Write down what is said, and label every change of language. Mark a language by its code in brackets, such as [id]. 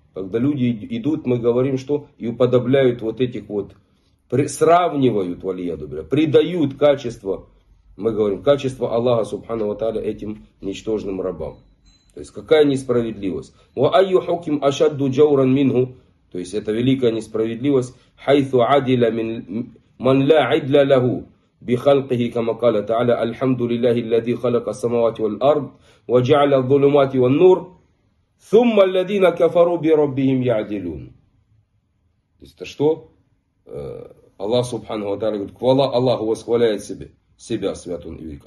[ru] Когда люди идут, мы говорим, что и уподобляют вот этих вот, сравнивают, валиядубля, придают качество, мы говорим, качество Аллаха субхану ва тааля этим ничтожным рабам. То есть какая несправедливость. [ar] Ваайю хуким ашадду джауран мингу. [ru] То есть это великая несправедливость. [ar] Хайфу адиля ман ла идля лаху. بخلقه كما قال تعالى الحمد لله الذي خلق السماوات والأرض وجعل الظلمات والنور ثم الذين كفروا بربهم يعدلون. [ru] То есть это что? Аллах Субхану ва Тааля говорит, хвала Аллаху, восхваляет себя, свят он и велик.